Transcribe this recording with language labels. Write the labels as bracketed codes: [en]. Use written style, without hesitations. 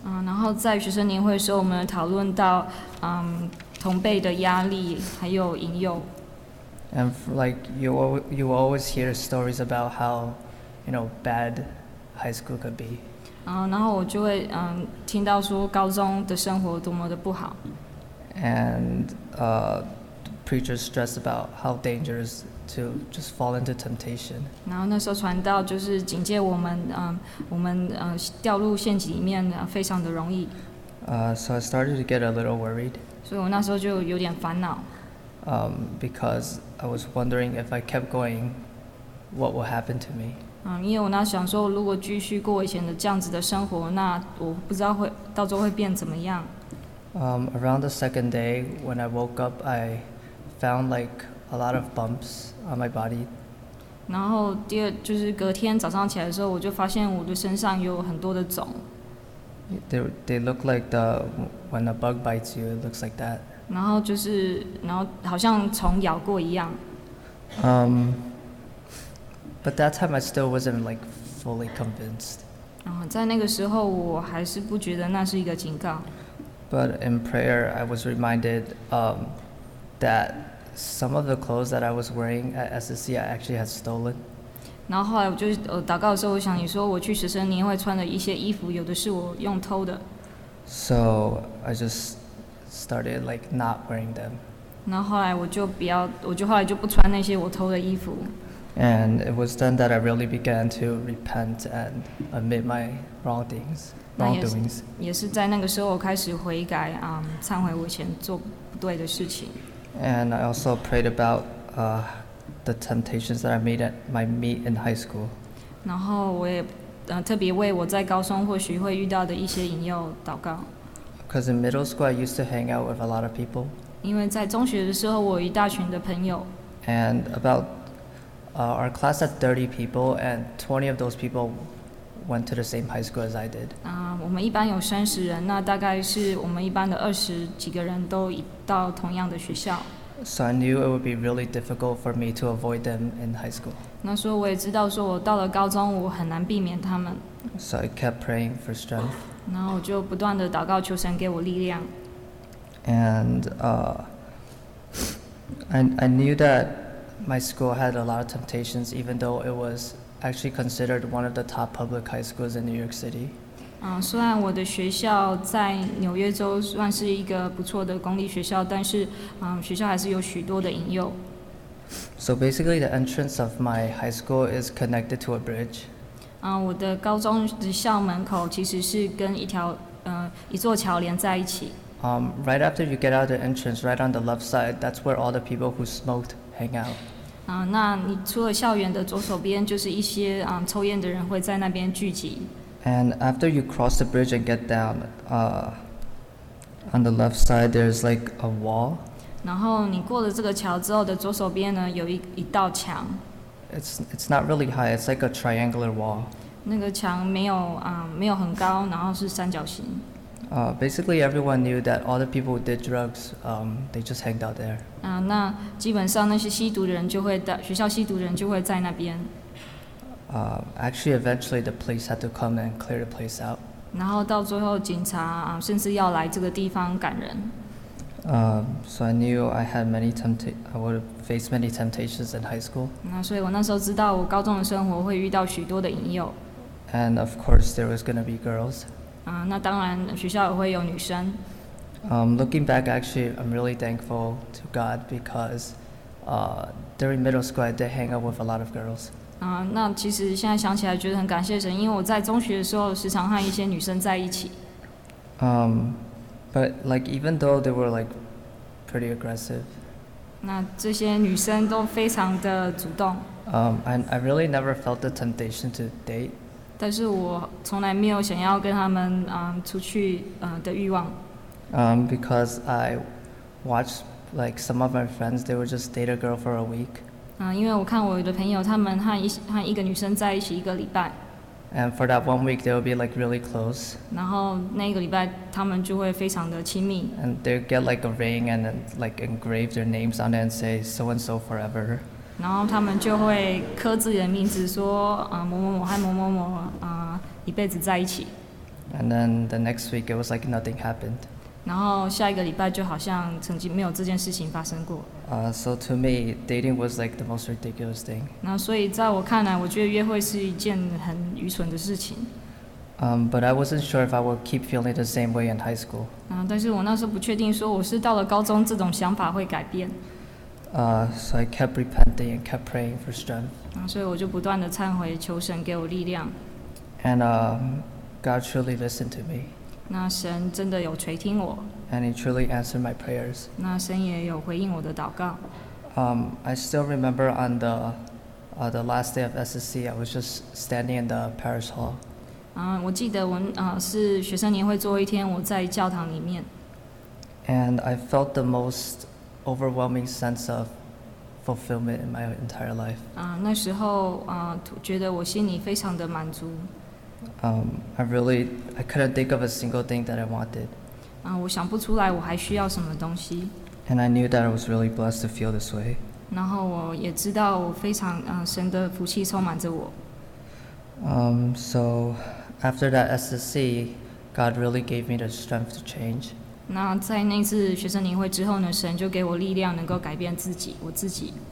[zh] 然后在学生联会的时候，我们讨论到同辈的压力还有引诱。 [en] And like you always hear stories about how, you know, bad high school could be. [zh] 然后我就会听到说高中的生活多么的不好。 [en] And preachers stress about how dangerous to just fall into temptation. [zh] 然后那时候传道就是警戒我们，我们掉入陷阱里面非常的容易。 [en] So I started to get a little worried. [zh] 所以我那时候就有点烦恼。 [en] Because I was wondering if I kept going, what would happen to me? [zh] 因为我那想说，如果继续过以前的这样子的生活，那我不知道会到最后会变怎么样。 [en] Around the second day, when I woke up, I found like a lot of bumps on my body. [zh] 然后第二就是隔天早上起来的时候，我就发现我的身上有很多的肿。 [en] They look like the when a bug bites you, it looks like that. [zh] 然后就是然后好像虫咬过一样。 [en] But that time I still wasn't like fully convinced. [zh] 然后在那个时候，我还是不觉得那是一个警告。 [en] But in prayer, I was reminded that some of the clothes that I was wearing at SSC I actually had stolen. [zh] 然后后来我就祷告的时候，我想你说我去学生年会穿的一些衣服，有的是我用偷的。 [en] So I just started like not wearing them. [zh] 然后后来我就不穿那些我偷的衣服。 [en] And it was then that I really began to repent and admit my wrongdoings. [zh] 也是在那个时候我开始悔改，忏悔我以前做不对的事情。 [en] And I also prayed about the temptations that I might meet in high school. [zh] 然后我也特别为我在高中或许会遇到的一些引诱祷告。 [en] Because in middle school, I used to hang out with a lot of people. [zh] 因为在中学的时候，我有一大群的朋友。 [en] And about our class had 30 people, and 20 of those people went to the same high school as I did. [zh] 我们一般有30人，那大概是我们一般的20几个人都到同样的学校。 [en] So I knew it would be really difficult for me to avoid them in high school. [zh] 那时候我也知道说我到了高中我很难避免他们。 [en] So I kept praying for strength. [zh] 然后我就不断的祷告求神给我力量。 [en] And I knew that my school had a lot of temptations even though it was actually considered one of the top public high schools in New York City. [zh] 虽然我的学校在纽约州算是一个不错的公立学校，但是学校还是有许多的引诱。 [en] So basically, the entrance of my high school is connected to a bridge. [zh] 我的高中的校门口其实是跟一座桥连在一起。 [en] Right after you get out the entrance, right on the left side, that's where all the people who smoked hang out. [zh] 那你除了校园的左手边，就是一些抽烟的人会在那边聚集。 [en] And after you cross the bridge and get down, on the left side there's like a wall. [zh] 然后你过了这个桥之后的左手边呢，有一道墙。 [en] It's not really high. It's like a triangular wall. [zh] 那个墙没有很高，然后是三角形。 [en] Basically, everyone knew that all the people who did drugs, they just hanged out there. [zh] 那基本上那些吸毒的人就会到学校吸毒的人就会在那边。 [en] Actually, eventually the police had to come and clear the place out. [zh] 然后到最后警察甚至要来这个地方赶人。 [en] So I knew I would face many temptations in high school. [zh] 所以我那时候知道我高中的生活会遇到许多的引诱。 [en] And of course, there was going to be girls. [zh] 那当然学校也会有女生。 [en] Looking back, actually, I'm really thankful to God because during middle school, I did hang out with a lot of girls. [zh] 那其实现在想起来觉得很感谢神，因为我在中学的时候时常和一些女生在一起。 [en] But like even though they were like pretty aggressive. [zh] 那这些女生都非常的主动。 [en] I really never felt the temptation to date. [zh] 但是我从来没有想要跟他们出去的欲望。 [en] Because I watched like some of my friends, they would just date a girl for a week. [zh] 因为我看我的朋友，他们和一个女生在一起一个礼拜。 [en] And for that 1 week, they would be like really close. [zh] 然后那个礼拜，他们就会非常的亲密。 [en] And they get like a ring and then like engrave their names on it and say so and so forever. [zh] 然后他们就会刻自己的名字说，某某某和某某某一辈子在一起。 [en] And then the next week, it was like nothing happened. [zh] 然后下一个礼拜就好像曾经没有这件事情发生过。 [en] So to me, dating was like the most ridiculous thing. [zh] 那所以在我看来，我觉得约会是一件很愚蠢的事情。 [en] But I wasn't sure if I would keep feeling the same way in high school. [zh] 但是我那时候不确定说我是到了高中这种想法会改变。 [en] So I kept repenting and kept praying for strength. [zh] 所以我就不断的忏悔，求神给我力量。 [en] And God truly listened to me. [zh] 那神真的有垂听我。 [en] And he truly answered my prayers. [zh] 那神也有回应我的祷告。 [en] I still remember on the last day of SSC, I was just standing in the parish hall. [zh] 我记得我是学生年会最后一天，我在教堂里面。 [en] And I felt the most overwhelming sense of fulfillment in my entire life. [zh] 那时候觉得我心里非常的满足。 [en] I couldn't think of a single thing that I wanted. [zh] 我想不出来我还需要什么东西。 [en] And I knew that I was really blessed to feel this way. [zh] 然后我也知道我非常神的福气充满着我。 [en] So after that SSC, God really gave me the strength to change. [zh] 那在那次学生灵会之后呢，神就给我力量，能够改变自己，我自己。